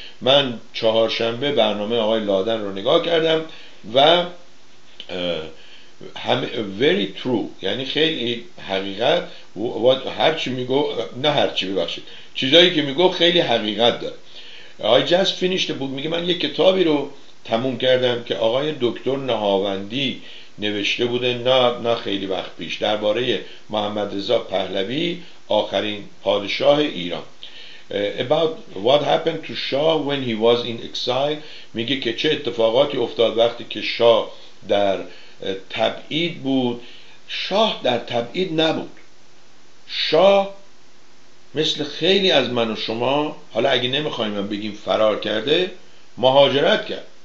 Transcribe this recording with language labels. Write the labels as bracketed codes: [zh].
[fa] من چهارشنبه برنامه آقای لادن رو نگاه کردم و همه [en] very true، [fa] یعنی خیلی حقیقت و هر چی میگو، نه هر چی ببخشید، چیزایی که میگو خیلی حقیقت داره. آقای جست فینیشت بود، میگه من یه کتابی رو تموم کردم که آقای دکتر نهاوندی نوشته بوده، نه خیلی وقت پیش، درباره محمد رضا پهلوی آخرین پادشاه ایران. [en] About what happened to Shah when he was in exile. [fa] میگه که چه اتفاقاتی افتاد وقتی که شاه در تبعید بود. شاه در تبعید نبود، شاه مثل خیلی از من و شما، حالا اگه نمیخوایم بگیم فرار کرده، مهاجرت کرد.